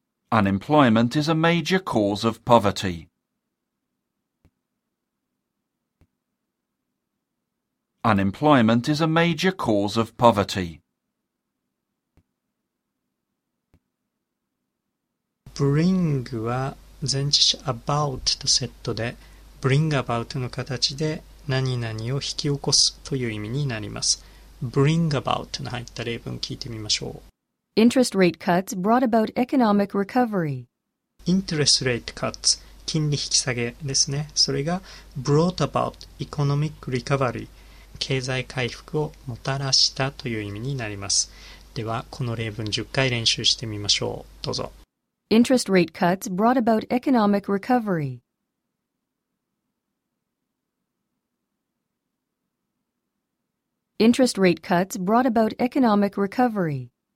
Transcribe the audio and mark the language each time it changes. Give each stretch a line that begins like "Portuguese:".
English: Unemployment is a major cause of poverty. Unemployment is a major cause of poverty.
Japanese: Bring は前置詞 about とセットで、 bring about の形で何々を引き起こすという意味になります。 Bring about の入った例文聞いてみましょう。
English: Interest rate cuts brought about economic recovery.
Japanese: Interest rate cuts、金利引き下げですね。それが brought about economic recovery、経済回復をもたらしたという意味になります。ではこの例文10回練習してみましょう。どうぞ。
English: Interest rate cuts brought about economic recovery. Interest rate cuts brought about economic recovery.